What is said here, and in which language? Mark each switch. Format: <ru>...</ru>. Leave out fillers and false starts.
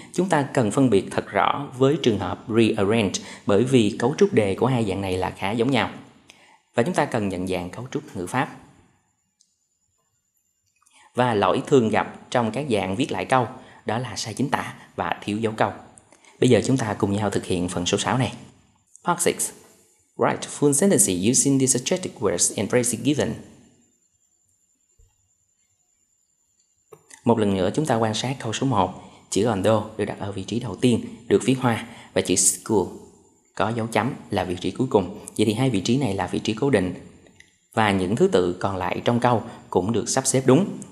<vi>Chúng ta cần phân biệt thật rõ với trường hợp rearrange bởi vì cấu trúc đề của hai dạng này là khá giống nhau. Và chúng ta cần nhận dạng cấu trúc ngữ pháp. Và lỗi thường gặp trong các dạng viết lại câu đó là sai chính tả và thiếu dấu câu. Bây giờ chúng ta cùng nhau thực hiện phần số 6 này.</vi> <en>Part 6. Write full sentences using the suggested words and phrases given.</en> <vi>Một lần nữa chúng ta quan sát câu số 1. Chữ although được đặt ở vị trí đầu tiên, được viết hoa, và chữ school có dấu chấm là vị trí cuối cùng. Vậy thì hai vị trí này là vị trí cố định. Và những thứ tự còn lại trong câu cũng được sắp xếp đúng.</vi>